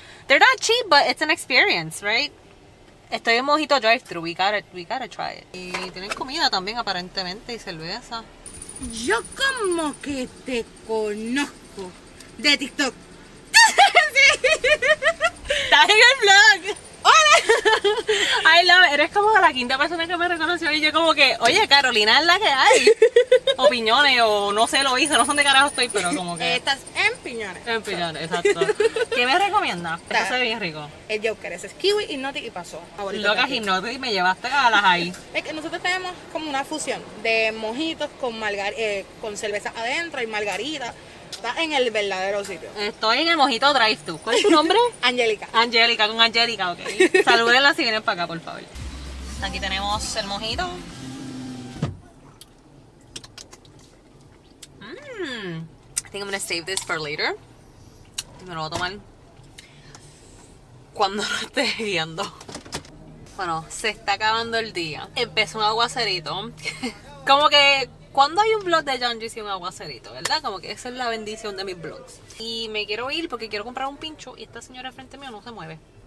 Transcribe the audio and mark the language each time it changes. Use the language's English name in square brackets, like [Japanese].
[English] They're not cheap, but it's an experience, right? [Spanish] Estoy en mojito drive-thru. [English] We gotta try it. [Spanish] Y tienen comida también, aparentemente, y cerveza. Yo como que te conozco de TikTok. Estás en el vlog. ¡Hola! [English] I love it. [Spanish] Eres como la quinta persona que me reconoció. Y yo como que, oye, Carolina es la que hay. O Piñones, o no sé, lo hice. No sé de carajo estoy, pero como que estás en Piñones. En Piñones, exacto. ¿Qué me recomiendas? Porque eso es bien rico. El Joker, ese es kiwi, hipnotic y pasó. Loca, hipnotic y me llevaste a las ahí. Es que nosotros tenemos como una fusión de mojitos con cerveza adentro y margarita. Estás en el verdadero sitio. Estoy en el mojito drive-thru. ¿Cuál es tu nombre? Angélica. Angélica, con Angélica, ok. Salúdenla si vienen para acá, por favor. Aquí tenemos el mojito. [English] I think I'm gonna save this for later. [Spanish] Y me lo voy a tomar cuando no esté guiando. Bueno, se está acabando el día. Empezó un aguacerito. Como que... ¿cuándo hay un vlog de Yonjis y un aguacerito, verdad? Como que esa es la bendición de mis vlogs. Y me quiero ir porque quiero comprar un pincho y esta señora enfrente mío no se mueve.